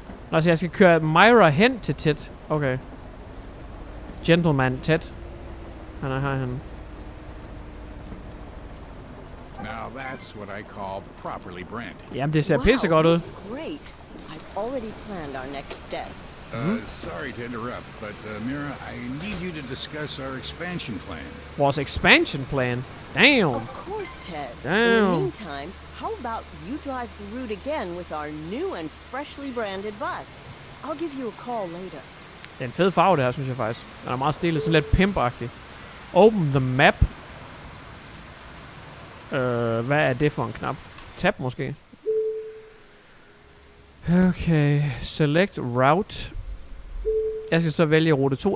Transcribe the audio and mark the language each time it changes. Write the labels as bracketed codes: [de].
[da] Nå, så jeg skal køre Myra hen til Ted. Okay. Gentleman Ted. Han er her, han. [en] Now that's what I call properly branded. Jamen, det ser pisse godt ud. Great. I've already planned our next step. Sorry to interrupt, but Myra, I need you to discuss our expansion plan. What's expansion plan? Damn. Of course, Ted. Damn. In the meantime, how about you drive the route again with our new and freshly branded bus? I'll give you a call later. [da] Den fede farve, det her, synes jeg faktisk. Den er meget stilet, sådan lidt pimp-agtig. [en] Open the map. [da] Hvad er det for en knap? Tab måske. [en] Okay, select route. [da] Jeg skal så vælge rute 2.